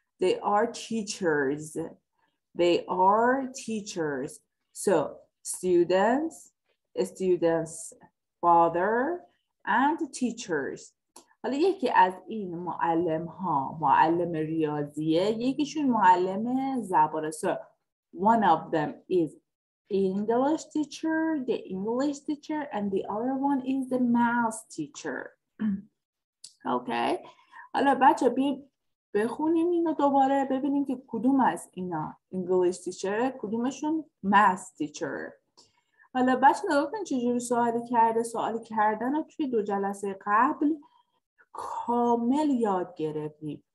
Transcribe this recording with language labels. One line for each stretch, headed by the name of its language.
English: They are teachers. They are teachers. So, students, students, father, and teachers.
Persian: حالا یکی از این معلم ها معلم ریاضیه، یکیشون معلم زبانه.
English: So one of them is English teacher, the English teacher, and the other one is the math teacher. Okay.
Persian: حالا بچه بیم بخونیم اینو دوباره ببینیم که کدوم از اینا
English: English teacher،
Persian: کدومشون
English: math teacher.
Persian: حالا بچه نگاه کنید چجوری سوالی کرده. سوالی کردن رو توی دو جلسه قبل کامل یاد گرفتیم.